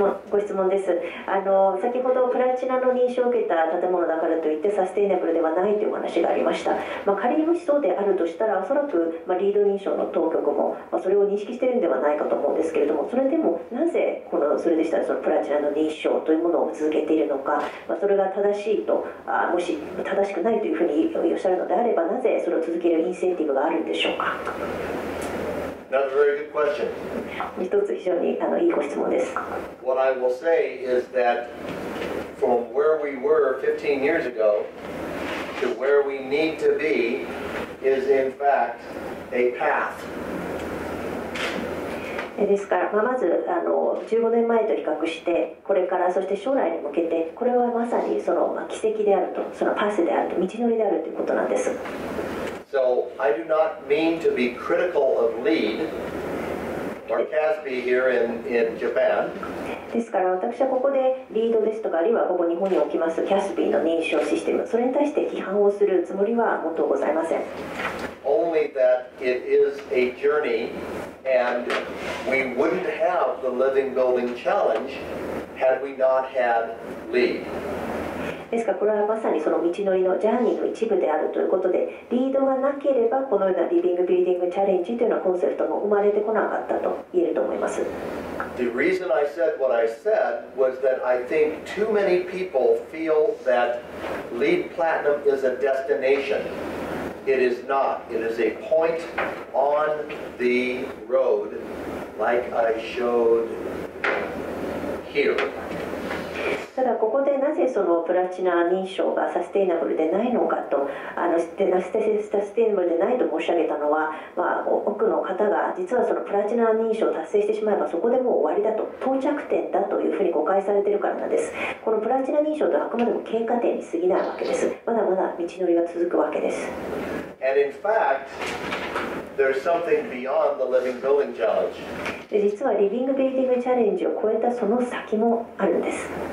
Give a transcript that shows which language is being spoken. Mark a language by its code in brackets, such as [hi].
[ja] ご質問です。先ほどプラチナの認証を受けた建物だからといってサステイナブルではないという話がありました。仮にもしそうであるとしたら、おそらく、LEED認証の当局も、それを認識しているのではないかと思うんですけれども、それでもなぜこのそれでしたらそのプラチナの認証というものを続けているのか、それが正しいと、もし正しくないというふうにおっしゃるのであれば、なぜそれを続けるインセンティブがあるんでしょうか。 [en] That's a very good question. [ja] 一つ非常にいいご質問です。 [en] What I will say is that from where we were 15 years ago to where we need to be is in fact a path. [ja] ですから、まず15年前と比較して、これから、そして将来に向けて、これはまさにその奇跡であると、そのパスであると、道のりであるということなんです。 [en] So I do not mean to be critical of LEED or CASB here in Japan. [ja] ですから、私はここで LEED ですとか、あるいはここ日本におきます CASB の認証システム、それに対して批判をするつもりはもっとございません。 [en] Only that it is a journey and we wouldn't have the Living Building Challenge had we not had LEED. [ja] ですから、これはまさにその道のりのジャーニーの一部であるということで、LEED がなければこのようなリビングビルディングチャレンジというようなコンセプトも生まれてこなかったと言えると思います。 [en] The reason I said what I said was that I think too many people feel that LEED Platinum is a destination. It is not. It is a point on the road, like I showed here. [ja] ただここでなぜそのプラチナ認証がサステイナブルでないのかと、サステイナブルでないと申し上げたのは、まあ、多くの方が実はそのプラチナ認証を達成してしまえばそこでもう終わりだと、到着点だというふうに誤解されているからなんです。このプラチナ認証とはあくまでも経過点に過ぎないわけです。まだまだ道のりが続くわけです。 [en] And in fact, there's something beyond the living building challenge. [ja] で実はリビングビルディングチャレンジを超えたその先もあるんです。